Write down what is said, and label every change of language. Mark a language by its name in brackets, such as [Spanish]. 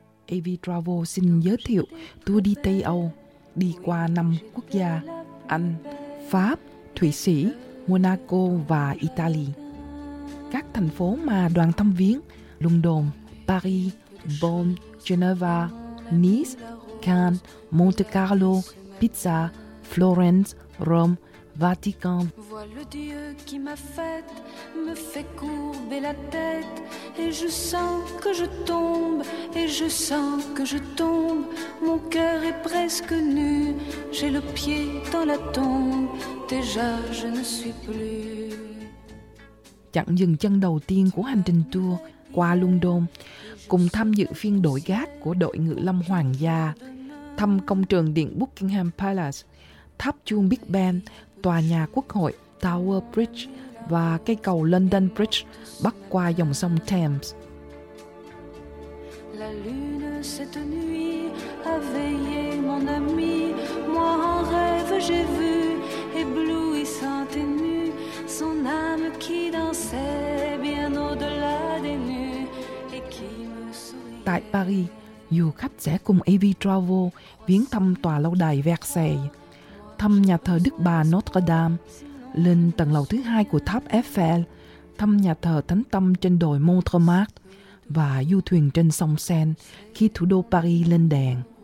[Vietnamese] AV Travel xin giới thiệu tour đi Tây Âu, đi qua 5 quốc gia Anh, Pháp, Thụy Sĩ, Monaco và Italy. Các thành phố mà đoàn thăm viếng: London, Paris, Bonn, Geneva, Nice, Cannes, Monte Carlo, Pisa, Florence, Rome, Vatican. [French] Vois le Dieu qui m'a faite, me fait courber la tête, et je sens que je tombe, et je sens que je tombe. Mon cœur est presque nu, j'ai le pied dans la tombe, déjà je ne suis plus. [Vietnamese] Chặng dừng chân đầu tiên của hành trình tour qua London, cùng tham dự phiên đổi gác của đội ngự lâm hoàng gia, thăm công trường điện Buckingham Palace, tháp chuông Big Ben, tòa nhà quốc hội Tower Bridge và cây cầu London Bridge bắc qua dòng sông Thames. [French] La lune cette nuit a veillé mon ami, moi en rêve j'ai vu éblouissante et nue son âme qui dansait bien au-delà des nues et qui me sourit. [Vietnamese] Tại Paris, du khách sẽ cùng AV Travel viếng thăm tòa lâu đài Versailles, thăm nhà thờ Đức Bà Notre Dame, lên tầng lầu thứ hai của tháp Eiffel, thăm nhà thờ Thánh Tâm trên đồi Montmartre và du thuyền trên sông Seine khi thủ đô Paris lên đèn.